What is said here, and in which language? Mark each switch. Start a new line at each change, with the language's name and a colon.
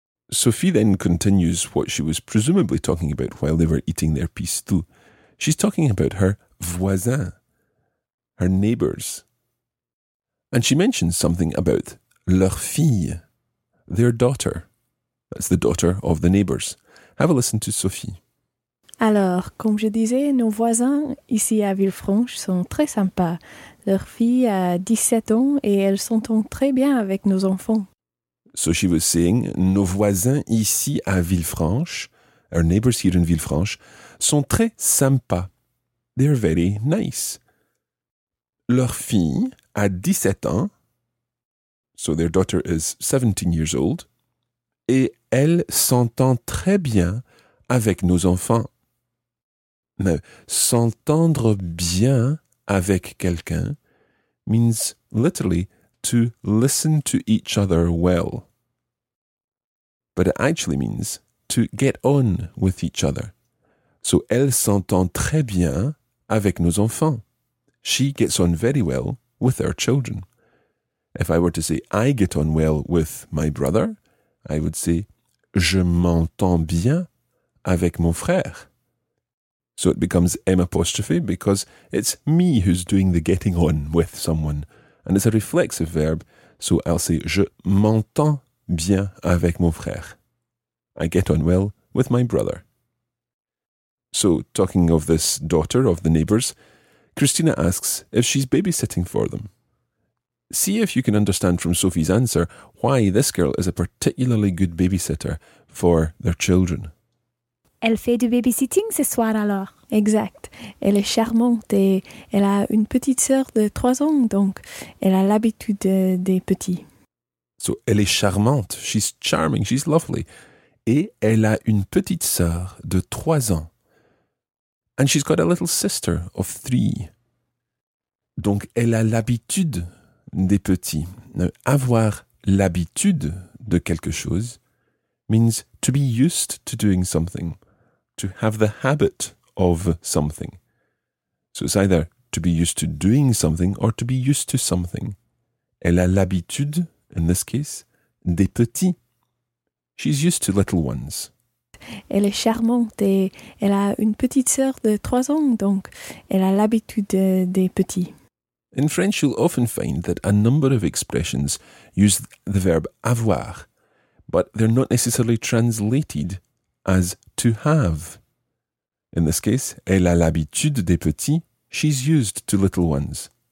English: Sophie then continues what she was presumably talking about while they were eating their pistou. She's talking about her voisins, her neighbours. And she mentions something about
French: leur fille,
English: their daughter. That's the daughter of the neighbours. Have a listen to Sophie.
French: Alors, comme je disais, nos voisins ici à Villefranche sont très sympas. Leur fille a 17 ans et elles s'entendent très bien avec nos enfants.
English: So she was saying,
French: nos voisins ici à Villefranche,
English: our neighbors here in Villefranche,
French: sont très sympas.
English: They are very nice.
French: Leur fille a 17 ans,
English: so their daughter is 17 years old,
French: et elle s'entend très bien avec nos enfants.
English: Now, s'entendre bien avec quelqu'un means literally to listen to each other well. But it actually means to get on with each other.
French: So, elle s'entend très bien avec nos enfants.
English: She gets on very well with our children. If I were to say I get on well with my brother, I would say
French: je m'entends bien avec mon frère.
English: So it becomes M apostrophe because it's me who's doing the getting on with someone. And it's a reflexive verb, so I'll say
French: je m'entends bien avec mon frère.
English: I get on well with my brother. So, talking of this daughter of the neighbours, Christina asks if she's babysitting for them. See if you can understand from Sophie's answer why this girl is a particularly good babysitter for their children.
French: Elle fait du babysitting ce soir alors. Exact. Elle est charmante et elle a une petite sœur de 3 ans, donc elle a l'habitude des petits.
English: So,
French: elle est charmante.
English: She's charming. She's lovely.
French: Et elle a une petite sœur de 3 ans.
English: And she's got a little sister of 3.
French: Donc, elle a l'habitude des petits.
English: Avoir l'habitude de quelque chose means to be used to doing something, to have the habit of something. So it's either to be used to doing something or to be used to something.
French: Elle a l'habitude, in this case, des petits.
English: She's used to little ones.
French: Elle est charmante et elle a une petite sœur de 3 ans, donc elle a l'habitude des petits.
English: In French, you'll often find that a number of expressions use the verb avoir, but they're not necessarily translated as to have. In this case,
French: elle a l'habitude des petits,
English: she's used to little ones.